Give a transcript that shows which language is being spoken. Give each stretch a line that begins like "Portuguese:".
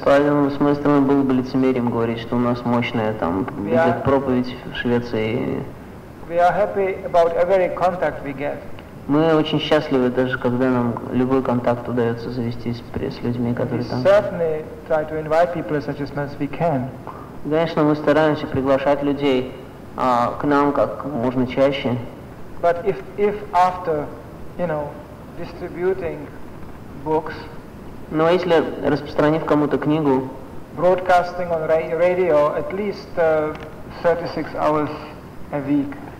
Russian: Поэтому, с моей стороны, было бы лицемерием говорить, что у нас мощная там идет проповедь в Швеции.
English: We are happy about every contact we get.
Russian: Мы очень счастливы, даже когда нам любой контакт удается завести с людьми, которые там.
English: Certainly try to invite people as much as we can.
Russian: Конечно, мы стараемся приглашать людей к нам как можно чаще.
English: But if after, you know, distributing books.
Russian: Но если распространив кому-то книгу.
English: Broadcasting on radio at least 36 hours a week.